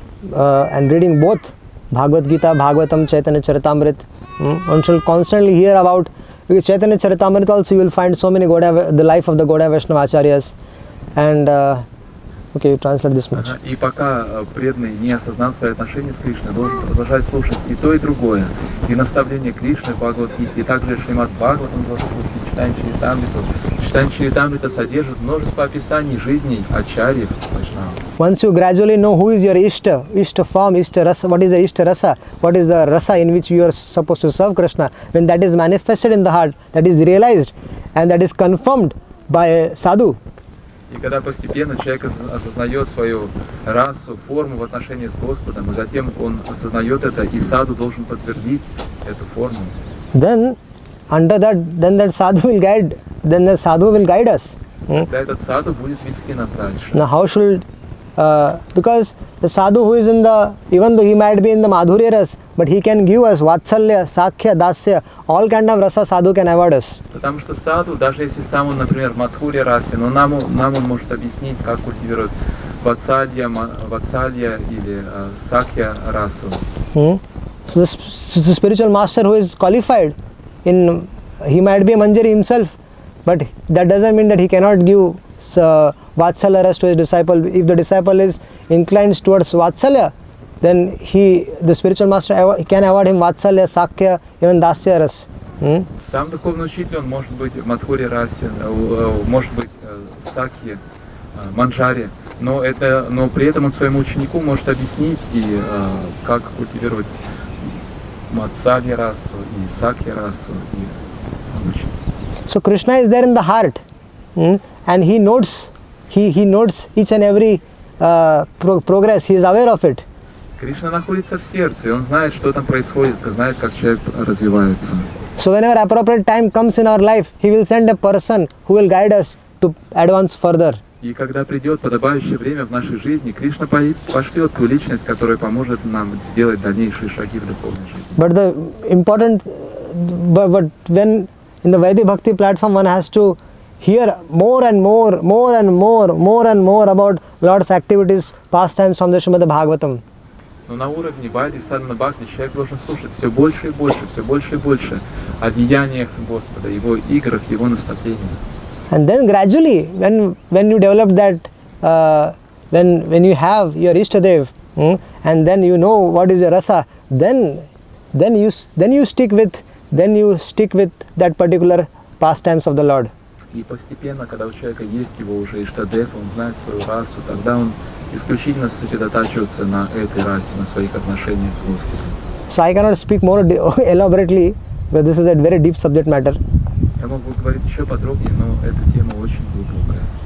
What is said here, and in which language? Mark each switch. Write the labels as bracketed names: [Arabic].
[English] and reading both Bhagavad Gita, Bhagavatam, Chaitanya Charitamrit, one shall constantly hear about Chaitanya Charitamrit. Also you will find so many Godaya, the life of the Godaya Vaishnava Acharyas, and okay, you translate this much. [Russian] И пока преданный не осознал свои отношения с Кришной, должен продолжать слушать и то, и другое. И наставление Кришны, Бхагавад Гиты, и также Шримад Бхагаватам должен слушать, читание Чаритамриту. Читание Чаритамрита содержит множество описаний жизни Ачарьев. [English] Once you gradually know who is your Ishta, Ishta form, Ishta rasa, what is the Ishta rasa, what is the rasa in which you are supposed to serve Krishna, when that is manifested in the heart, that is realized and that is confirmed by a sadhu. [Russian] И когда постепенно человек осознает свою расу, форму в отношении с Господом, и затем он осознает это, и саду должен подтвердить эту форму. [English] Then, under that, then that sadhu will guide, then the sadhu will guide us. [Russian] Да, этот саду будет вести нас дальше. [English] Now how should, because the sadhu who is in the, even though he might be in the madhurya ras, but he can give us vatsalya, sakhya, dasya, all kind of rasa sadhu can award us. [Russian] Потому что саду, даже если сам он, например, в мадхурья расе, но нам он может объяснить, как культивировать vatsalya или sakhya расу. [English] So the spiritual master who is qualified, in he might be a manjari himself, but that doesn't mean that he cannot give vatsalya rasa to his disciple. If the disciple is inclined towards vatsalya, then the spiritual master can award him vatsalya, sakya, even dasya ras. [Russian] Сам духовный учитель, он может быть в мадхурья расе, может быть сакья, манджари, но при этом он своему ученику может объяснить, и как культивировать матсалья расу, и сакья расу, и учить. [English] So Krishna is there in the heart, and he notes, he notes each and every progress, he is aware of it. [Russian] Кришна находится в сердце, он знает, что там происходит, знает, как человек развивается. [English] So whenever appropriate time comes in our life, he will send a person who will guide us to advance further. [Russian] И когда придет подобающее время в нашей жизни, Кришна пошлет ту личность, которая поможет нам сделать дальнейшие шаги в духовной жизни. [English] But the important, but when in the Vaidhi Bhakti platform one has to hear more and more, more and more, more and more about Lord's activities, pastimes from the Srimad Bhagavatam. [Russian] Но на уровне Вайди Саддана Бхакти человек должен слушать все больше и больше, все больше и больше о деяниях Господа, его играх, его наставлениях. [English] And then gradually, when you develop that, when you have your Ishtadev, and then you know what is your rasa, then you stick with that particular pastimes of the Lord. [Russian] И постепенно, когда у человека есть его уже Ishtadev, он знает свою расу, тогда он исключительно сосредотачиваться на этой расе, на своих отношениях с Господом. [English] So I cannot speak more elaborately, but this is a very deep subject matter. [Russian] Я могу говорить еще подробнее, но эта тема очень глубокая.